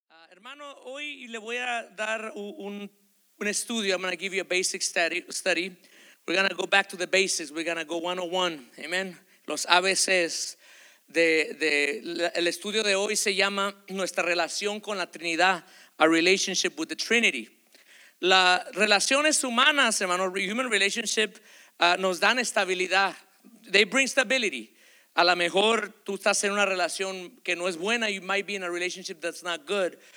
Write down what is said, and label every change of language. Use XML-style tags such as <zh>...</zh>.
<es>Hermano, hoy le voy a dar un estudio.</es> <en>I'm going to give you a basic study. We're going to go back to the basics. We're going to go 101. Amen. Los ABCs.</en> <es>El estudio de hoy se llama Nuestra Relación con la Trinidad,</es> <en>A Relationship with the Trinity.</en> <es>Las relaciones humanas, hermano,</es> <en>human relationship,</en> <es>nos dan estabilidad.</es> <en>They bring stability.</en> <es>A lo mejor tú estás en una relación que no es buena.</es> <en>You might be in a relationship that's not good.</en>